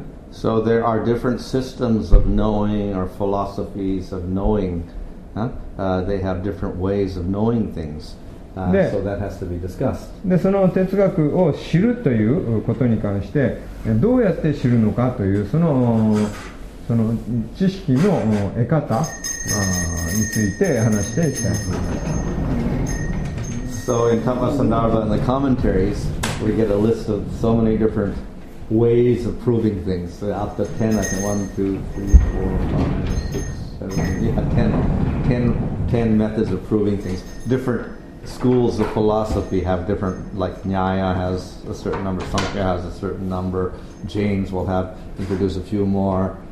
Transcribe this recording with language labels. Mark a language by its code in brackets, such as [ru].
[en] So there are different systems of knowing or philosophies of knowing. They have different ways of knowing things. So that has to be discussed. [ja] で、その哲学を知るということに関して、どうやって知るのかというその知識の得方について話していきたいと思います。 [en] So in Tapasandarbha and the commentaries, we get a list of so many different ways of proving things. So up to 10, I think 1, 2, 3, 4, 5, 6, 7, yeah, 10 methods of proving things. Different schools of philosophy have different, like Nyaya has a certain number, Sankhya has a certain number, Jains will have introduced a few more.